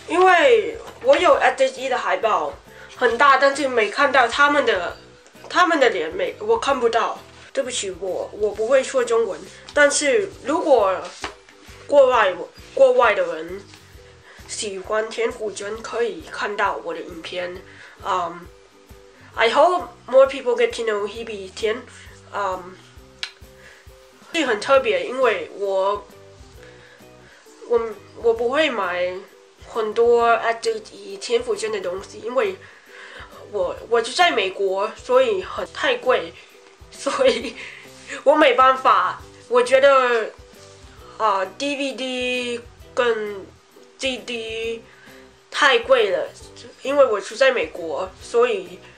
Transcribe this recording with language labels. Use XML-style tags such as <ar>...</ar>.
<zh>如果演唱会的，我没想到田馥甄的这个海报很大，因为我有 SHE 的海报很大，但是没看到他们的脸，我看不到。对不起，我不会说中文，但是如果国外的人喜欢田馥甄，可以看到我的影片。</zh> <en>I hope more people get to know Hebe Tien.</en> <zh>很特别，因为我不会买很多 SHE 田馥甄的东西，因为我就在美国，所以太贵，所以我没办法。我觉得DVD 跟 CD 太贵了，因为我住在美国，所以。</zh>